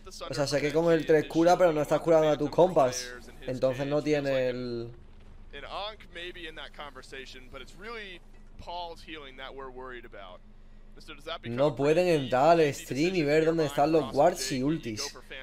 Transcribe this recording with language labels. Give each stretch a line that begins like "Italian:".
Spanish: O sea, sé que con el 3 cura, pero no estás curando a tus compas. Entonces no tiene el...
English: An Ankh may be in that conversation, but it's really Paul's healing that we're worried about.
Spanish: No pueden entrar al stream y ver dónde están los wards y ultis.